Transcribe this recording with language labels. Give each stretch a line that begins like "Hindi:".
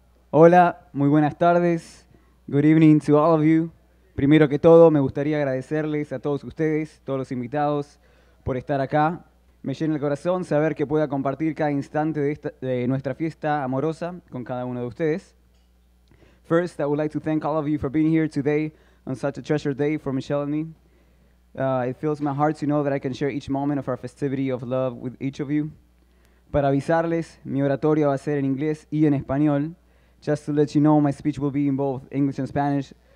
Spanish: Hola, muy buenas tardes.
English: Good evening to all of you.
Spanish: Primero que todo, me gustaría agradecerles a todos ustedes, todos los invitados, por estar acá. Me llena el corazón saber que pueda compartir cada instante de, nuestra fiesta amorosa con cada uno de ustedes.
English: First, I would like to thank all of you for being here today on such a treasured day for Michelle and me. It fills my heart to know that I can share each moment of our festivity of love with each of you.
Spanish: Para avisarles, mi oratoria va a ser en inglés y en español.
English: Just to let you know, my speech will be in both English and Spanish.